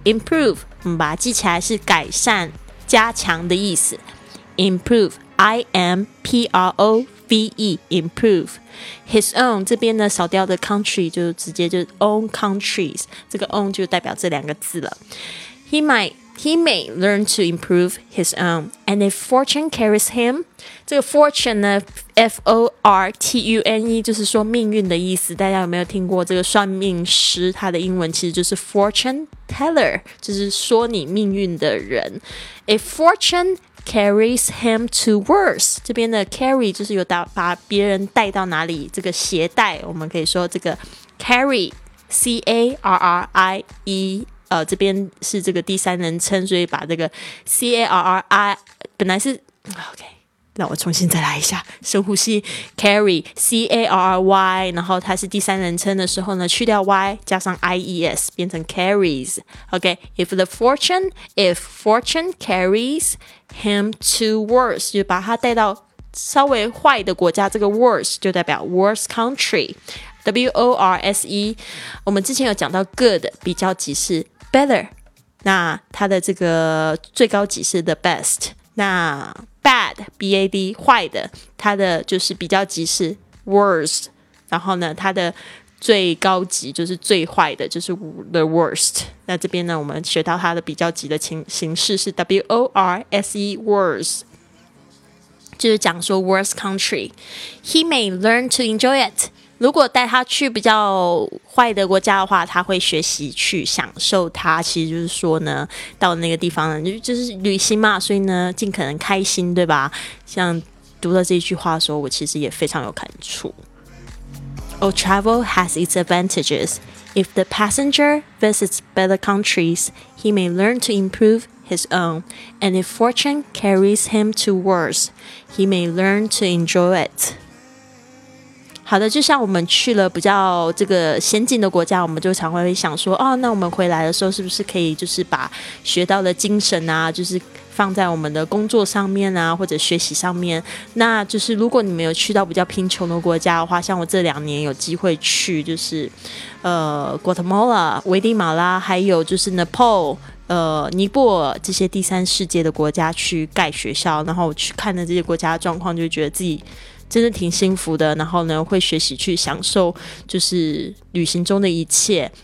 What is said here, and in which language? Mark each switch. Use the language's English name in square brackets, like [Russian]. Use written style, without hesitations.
[Chinese] improve 我们把它记起来是改善加强的意思， improve I-M-P-R-O-V-E improve。 [English] His own [Chinese] 这边呢少掉的 country 就直接就 own countries， 这个 own 就代表这两个字了。 [English] He may learn to improve his own. And if fortune carries him， [Chinese] 这个 fortune 呢 F-O-R-T-U-N-E 就是说命运的意思，大家有没有听过这个算命师，他的英文其实就是 fortune teller， 就是说你命运的人。 [English] If fortunecarries him to worse， [Chinese] 这边的 carry 就是有把别人带到哪里，这个携带我们可以说这个 carry C-A-R-R-I-E， 这边是这个第三人称，所以把这个 C-A-R-R-I 本来是 OK， 让我重新再来一下，深呼吸， carry C-A-R-R-Y， 然后它是第三人称的时候呢，去掉 Y 加上 I-E-S 变成 carries。 OK， [English] If fortune carriesHim to worse， [Chinese] 就把他带到稍微坏的国家，这个 worse 就代表 worse country， W-O-R-S-E。我们之前有讲到 good 比较级是 better， 那它的这个最高级是 the best， 那 bad B-A-D 坏的，它的就是比较级是 worst， 然后呢它的最高级就是最坏的，就是 the worst。那这边呢我们学到它的比较级的形式是 W-O-R-S-E worst，就是讲说 [English] worst country， he may learn to enjoy it。 [Chinese] 如果带他去比较坏的国家的话，他会学习去享受它。其实就是说呢，到那个地方呢，就是旅行嘛，所以呢，尽可能开心，对吧？像读到这句话的时候，我其实也非常有感触。 [English] Oh, travel has its advantages. If the passenger visits better countries, he may learn to improve his own. And if fortune carries him to worse, he may learn to enjoy it. [Chinese] 好的，就像我们去了比较这个先进的国家，我们就常会想说，哦，那我们回来的时候是不是可以就是把学到的精神啊，就是放在我们的工作上面啊，或者学习上面。那就是如果你们有去到比较贫穷的国家的话，像我这两年有机会去就是Guatemala 危地马拉，还有就是 Nepal尼泊尔这些第三世界的国家去盖学校，然后我去看的这些国家的状况，就觉得自己真的挺幸福的，然后呢会学习去享受就是旅行中的一切。